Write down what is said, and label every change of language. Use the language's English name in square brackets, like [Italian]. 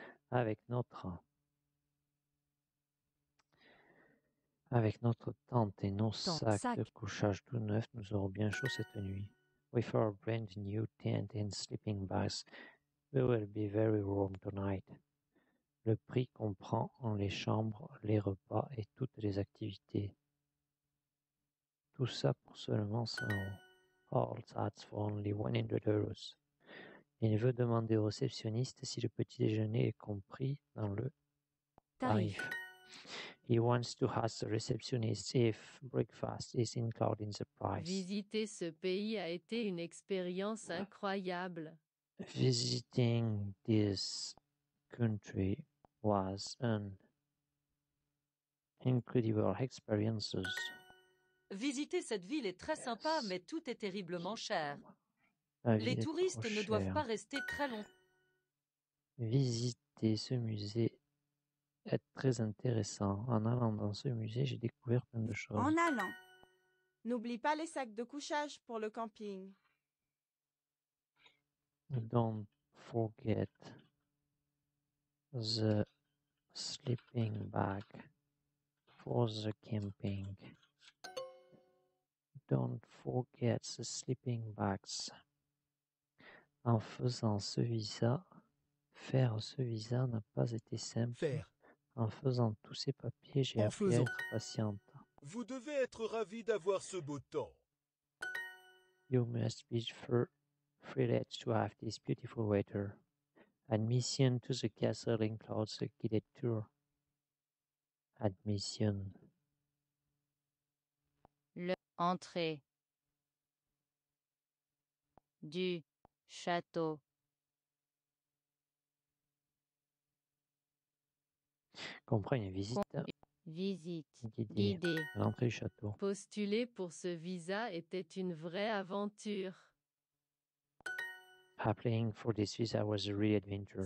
[French] Avec notre tente et nos sacs de couchage tout neufs, nous aurons bien chaud cette nuit. [English] With our brand new tent and sleeping bags, we will be very warm tonight. [French] Le prix comprend les chambres, les repas et toutes les activités. Tout ça pour seulement 100 euros. [English] All that's for only 100 euros. [French] Il veut demander au réceptionniste si le petit déjeuner est compris dans le tarif. [English] He wants to ask the receptionist if breakfast is included in the price. [French] Visiter ce pays a été une expérience incroyable. [English] Visiting this country was an incredible experience. [French] Visiter cette ville est très sympa, mais tout est terriblement cher. Les touristes ne doivent pas rester très longtemps. Visiter ce musée est très intéressant. En allant dans ce musée, j'ai découvert plein de choses. En allant. N'oublie pas les sacs de couchage pour le camping. [English] Don't forget the sleeping bag for the camping. Don't forget the sleeping bags. [French] En faisant ce visa, faire ce visa n'a pas été simple. Faire. En faisant tous ces papiers, j'ai appris à être patiente. Vous devez être ravi d'avoir ce beau temps. [English] You must be thrilled to have this beautiful weather. Admission to the castle includes a guided tour. Admission. [French] Entrée du château. Comprends une visite. Visite guidée. L'entrée du château. Postuler pour ce visa était une vraie aventure. [English] Applying for this visa was a real adventure.